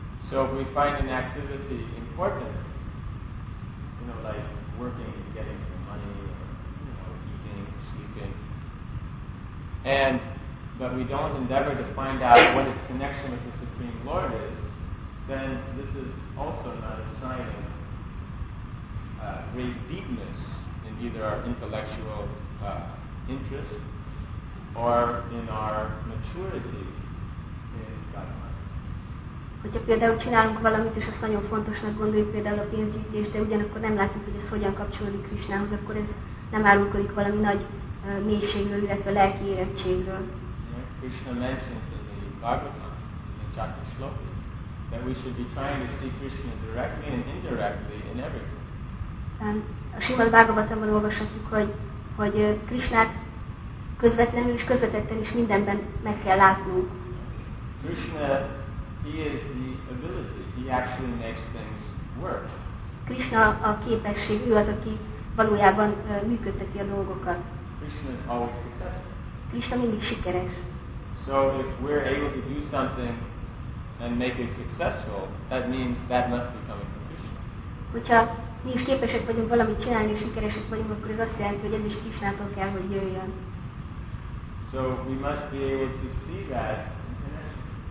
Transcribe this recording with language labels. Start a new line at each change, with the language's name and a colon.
English: So if we find an activity important, you know, like working and getting the money, eating, sleeping, and but we don't endeavor to find out what its connection with the Supreme Lord is, then this is also not a sign of great deepness in either our intellectual interest or in our maturity in God.
Hungarian: Hogyha például csinálunk valamit, és azt nagyon fontosnak gondoljuk, például a pénzgyűjtést, de ugyanakkor nem látjuk, hogy ez hogyan kapcsolódik Krisnához, akkor ez nem árulkodik valami nagy mélységről, illetve lelki érettségről.
English: Krishna mentions in the Bhagavatam, in the Chakra Shloki, that we should be trying to see Krishna directly and indirectly in everything.
Hungarian: A Srimad Bhagavatamban olvashatjuk, hogy Krishnát közvetlenül és közvetetten is mindenben meg kell látnunk.
English: Krishna, he is the ability, he actually makes things work.
Hungarian: Krishna a képesség, ő az, aki valójában működteti a dolgokat.
English: Krishna is always successful.
Hungarian: Krishna mindig sikeres.
English: So if we're able to do something and make it successful, that means that must be coming from Krishna.
Hungarian: Hogyha mi is képesek vagyunk valamit csinálni, és sikeresek vagyunk, akkor ez azt jelenti, hogy ez is Krishnától kell, hogy jöjjön.
English: So we must be able to see that in connection.